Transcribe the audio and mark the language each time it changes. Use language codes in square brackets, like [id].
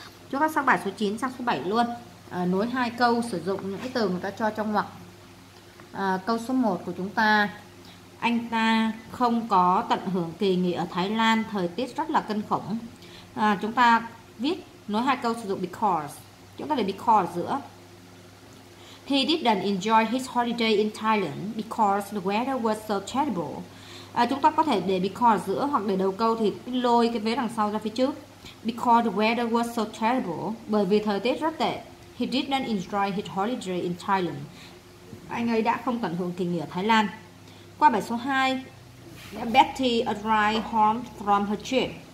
[vi] Chúng ta sang bài số 9 sang số 7 luôn. Nối hai câu sử dụng những cái từ người ta cho trong ngoặc. Câu số 1 của chúng ta, anh ta không có tận hưởng kỳ nghỉ ở Thái Lan, thời tiết rất là kinh khủng. Chúng ta viết nối hai câu sử dụng because. Chúng ta để because giữa. [en] He didn't enjoy his holiday in Thailand because the weather was so terrible. [vi] Chúng ta có thể để because giữa hoặc để đầu câu thì lôi cái vế đằng sau ra phía trước. [en] Because the weather was so terrible. [vi] Bởi vì thời tiết rất tệ. [en] He didn't enjoy his holiday in Thailand. [vi] Anh ấy đã không tận hưởng kỳ nghỉ ở Thái Lan. Qua bài số 2, [en] Betty arrived home from her trip.